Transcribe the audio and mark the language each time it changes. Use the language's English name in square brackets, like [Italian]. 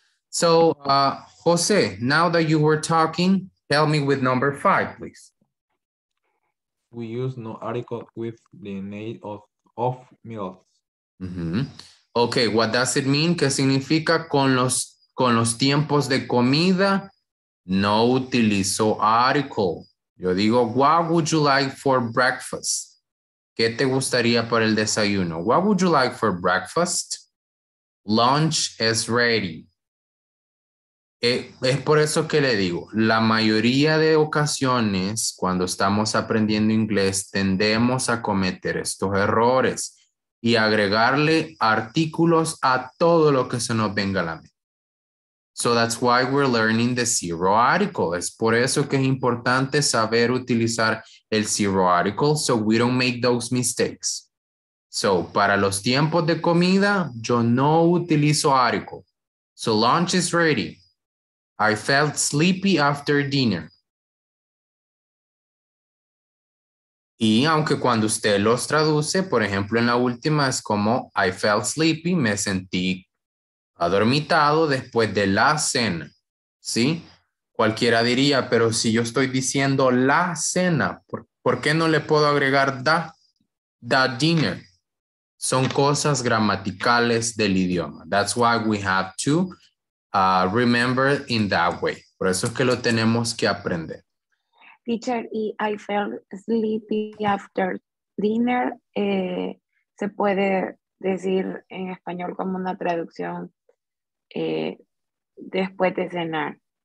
[English] So, Jose, now that you were talking, tell me with number five, please. We use no article with the name of meals. Mm-hmm. Okay, what does it mean? [Spanish] ¿Qué significa? Con los tiempos de comida, no utilizo article. Yo digo, [English] what would you like for breakfast? [Spanish] ¿Qué te gustaría para el desayuno? [English] What would you like for breakfast? Lunch is ready. [Spanish] Es por eso que le digo, la mayoría de ocasiones cuando estamos aprendiendo inglés tendemos a cometer estos errores y agregarle artículos a todo lo que se nos venga a la mente. [English] So that's why we're learning the zero article. [Spanish] Es por eso que es importante saber utilizar el zero article [English] so we don't make those mistakes. [Spanish] So para los tiempos de comida, yo no utilizo article. [English] So lunch is ready. I felt sleepy after dinner. [Spanish] Y aunque cuando usted los traduce, por ejemplo, en la última es como [English] I felt sleepy, [Spanish] me sentí adormitado después de la cena. ¿Sí? Cualquiera diría, pero si yo estoy diciendo la cena, ¿por qué no le puedo agregar [English] the dinner? [Spanish] Son cosas gramaticales del idioma. [English] That's why we have to remember in that way. [Spanish] Por eso es que lo tenemos que aprender. [English] Teacher, I felt sleepy after dinner. [Spanish] Se puede decir en español como una traducción después de cenar.